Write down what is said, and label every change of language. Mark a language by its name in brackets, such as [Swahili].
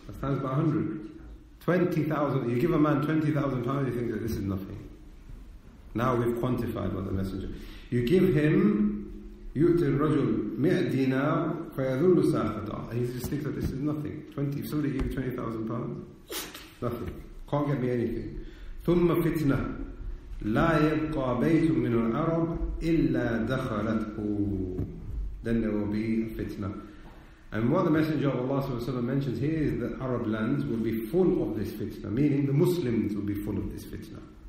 [English] That's times by 100. 20,000. You give a man 20,000 pounds, he thinks that this is nothing. Now we've quantified what the Messenger. You give him, [Arabic] يُؤْتِ الرَّجُلْ مِئَ دِينَارْ فَيَذُلُّ سَاحَدًا. [English] And he just thinks that this is nothing. If somebody gave you 20,000 pounds, nothing. Can't get me anything. [Arabic] ثم فتنة لا يبقى بيت من العرب إلا دخلته. [English] Then there will be a fitna. And what the Messenger of Allah Sallallahu Alaihi Wasallam mentions here is that Arab lands will be full of this fitna, meaning the Muslims will be full of this fitna.